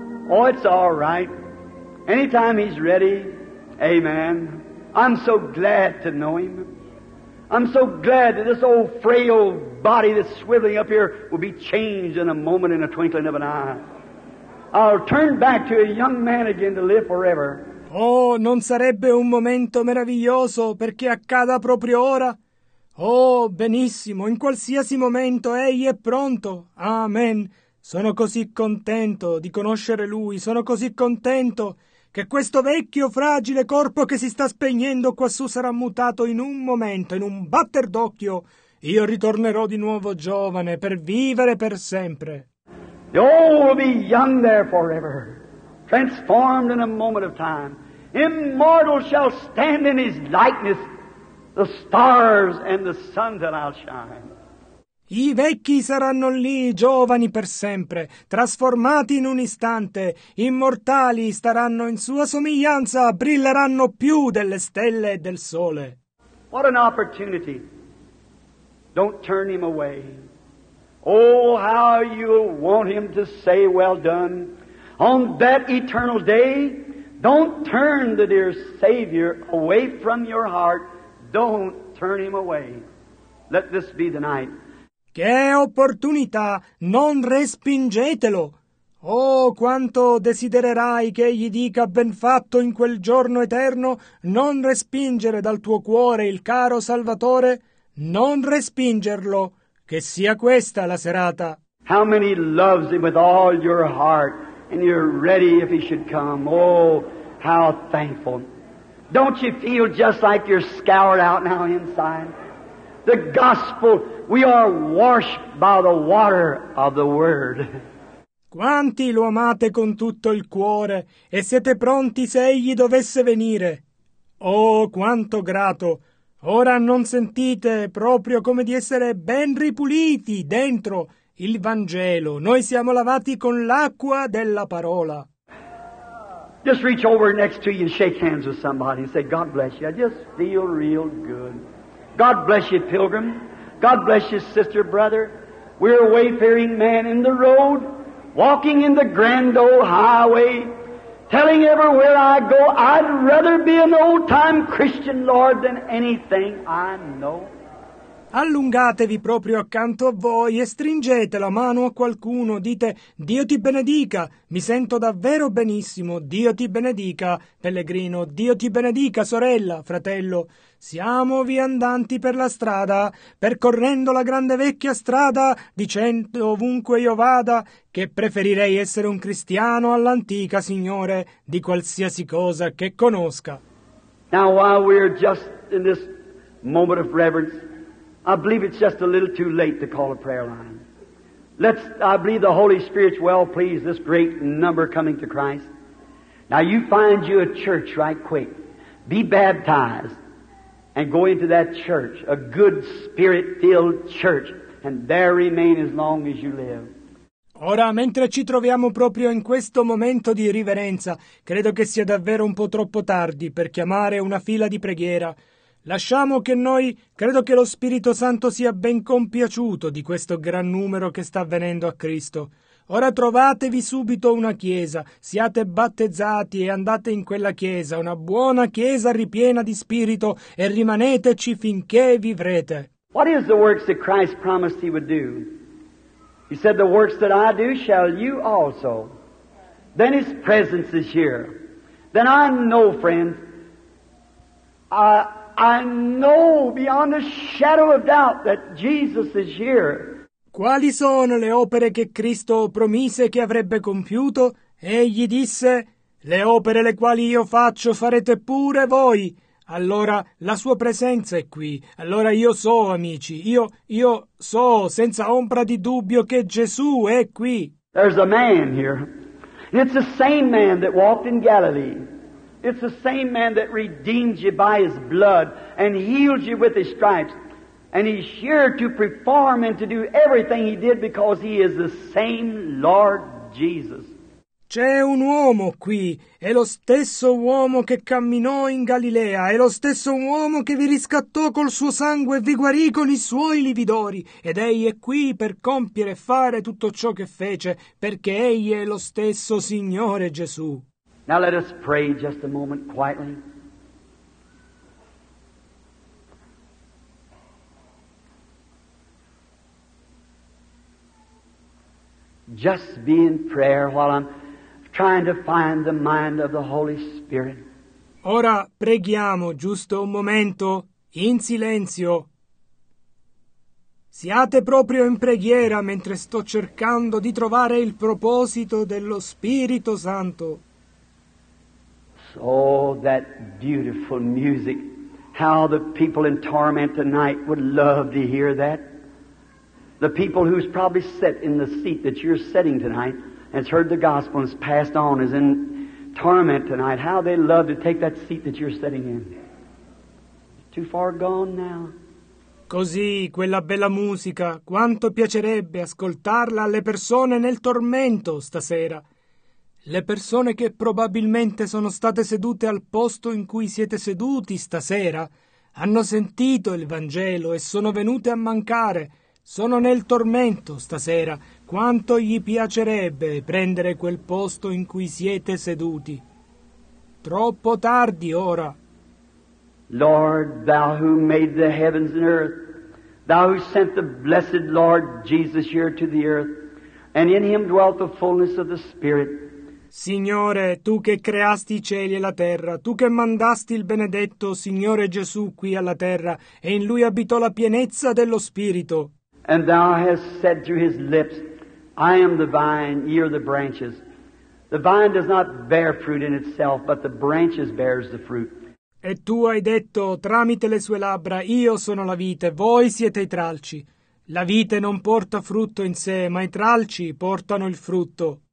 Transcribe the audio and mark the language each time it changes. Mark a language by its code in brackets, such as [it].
[en] Oh, it's all right. Anytime he's ready, amen. I'm so glad to know him. I'm so glad that this old frail body that's swiveling up here will be changed in a moment, in a twinkling of an eye. I'll turn back to a young man again to live forever. [it] Oh, non sarebbe un momento meraviglioso perché accada proprio ora? Oh, benissimo, in qualsiasi momento egli è pronto. Amen. Sono così contento di conoscere lui, sono così contento che questo vecchio, fragile corpo che si sta spegnendo quassù sarà mutato in un momento, in un batter d'occhio. Io ritornerò di nuovo giovane per vivere per sempre. [en] The old will be young there forever, transformed in a moment of time. Immortal shall stand in his likeness, the stars and the sun that I'll shine. [it] I vecchi saranno lì, giovani per sempre, trasformati in un istante. Immortali staranno in sua somiglianza, brilleranno più delle stelle e del sole. [en] What an opportunity! Don't turn him away. Oh, how you'll want him to say, well done. On that eternal day, don't turn the dear Savior away from your heart. Don't turn him away. Let this be the night. [it] Che opportunità! Non respingetelo! Oh, quanto desidererai che egli dica ben fatto in quel giorno eterno, non respingere dal tuo cuore il caro Salvatore, non respingerlo! Che sia questa la serata. [en] How many loves him with all your heart, and you're ready if he should come. Oh, how thankful. Don't you feel just like you're scoured out now inside? The gospel, we are washed by the water of the word. [it] Quanti lo amate con tutto il cuore, e siete pronti se egli dovesse venire. Oh, quanto grato. Ora non sentite proprio come di essere ben ripuliti dentro il Vangelo. Noi siamo lavati con l'acqua della parola. [en] Just reach over next to you and shake hands with somebody and say, God bless you. I just feel real good. God bless you, pilgrim. God bless you, sister, brother. We're a wayfaring man in the road, walking in the grand old highway, telling everywhere I go, I'd rather be an old-time Christian, Lord, than anything I know. [it] Allungatevi proprio accanto a voi e stringete la mano a qualcuno. Dite, Dio ti benedica, mi sento davvero benissimo. Dio ti benedica, pellegrino. Dio ti benedica, sorella, fratello. Siamo viandanti per la strada, percorrendo la grande vecchia strada, dicendo ovunque io vada che preferirei essere un cristiano all'antica, signore, di qualsiasi cosa che conosca. [en] Now while we're just in this moment of reverence, I believe it's just a little too late to call a prayer line. I believe the Holy Spirit's well pleased this great number coming to Christ. Now you find you a church right quick. Be baptized and go into that church, a good spirit-filled church, and there remain as long as you live. [it] Ora, mentre ci troviamo proprio in questo momento di riverenza, credo che sia davvero un po' troppo tardi per chiamare una fila di preghiera. Lasciamo che noi, credo che lo Spirito Santo sia ben compiaciuto di questo gran numero che sta venendo a Cristo. Ora trovatevi subito una chiesa, siate battezzati e andate in quella chiesa, una buona chiesa ripiena di spirito, e rimaneteci finché vivrete. [en] What is the works that Christ promised he would do? He said, the works that I do shall you also. Then his presence is here. Then I know, friend, I know beyond a shadow of doubt that Jesus is here. [it] Quali sono le opere che Cristo promise che avrebbe compiuto? Egli disse, le opere le quali io faccio farete pure voi. Allora la sua presenza è qui. Allora io so, amici, io so senza ombra di dubbio che Gesù è qui. [en] There's a man here. It's the same man that walked in Galilee. It's the same man that redeemed you by his blood and healed you with his stripes. And he's here to perform and to do everything he did because he is the same Lord Jesus. [it] C'è un uomo qui, è lo stesso uomo che camminò in Galilea, è lo stesso uomo che vi riscattò col suo sangue e vi guarì con i suoi lividori, ed egli è qui per compiere e fare tutto ciò che fece, perché egli è lo stesso Signore Gesù. [en] Now let us pray just a moment quietly. just be in prayer while I'm trying to find the mind of the Holy Spirit. [it] Ora preghiamo giusto un momento, in silenzio. Siate proprio in preghiera mentre sto cercando di trovare il proposito dello Spirito Santo. [en] Oh, that beautiful music. How the people in torment tonight would love to hear that. The people who's probably set in the seat that you're sitting tonight, has heard the gospel and has passed on, is in torment tonight. How they love to take that seat that you're sitting in. Too far gone now. [it] Così, quella bella musica, quanto piacerebbe ascoltarla alle persone nel tormento stasera. Le persone che probabilmente sono state sedute al posto in cui siete seduti stasera hanno sentito il Vangelo e sono venute a mancare. Sono nel tormento stasera. Quanto gli piacerebbe prendere quel posto in cui siete seduti. Troppo tardi ora. [en] Lord, Thou who made the heavens and earth, Thou who sent the blessed Lord Jesus here to the earth, and in Him dwelt the fullness of the Spirit. [it] Signore, Tu che creasti i cieli e la terra, Tu che mandasti il benedetto Signore Gesù qui alla terra, e in Lui abitò la pienezza dello Spirito. [en] And Thou hast said through His lips, I am the vine, ye are the branches. The vine does not bear fruit in itself, but the branches bears the fruit. [it] E tu hai detto, tramite le sue labbra, io sono la vite, voi siete i tralci. La vite non porta frutto in sé, ma i tralci portano il frutto.